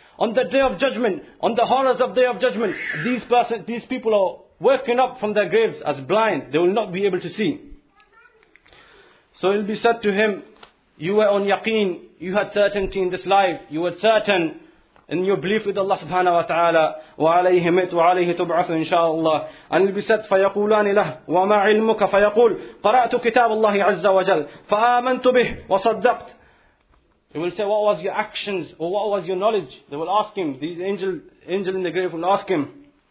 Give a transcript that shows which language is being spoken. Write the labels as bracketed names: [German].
[English] On the day of judgment, on the horrors of the day of judgment, these people are waking up from their graves as blind. They will not be able to see. So it will be said to him, you were on yaqeen, you had certainty in this life, you were certain in your belief with Allah subhanahu wa ta'ala, [Arabic] وَعَلَيْهِ مِتْ وَعَلَيْهِ تُبْعَثُ [English] inshaAllah. And it'll be said, [Arabic] فَيَقُولَانِ لَهُ وَمَا عِلْمُكَ فَيَقُولُ قَرَأْتُ كِتَابَ اللَّهِ عَزَّ وَجَلُ فَآمَنْتُ بِهِ وَصَدَّقْتُ. [English] He will say, what was your actions, or what was your knowledge? They will ask him, these angel in the grave will ask him.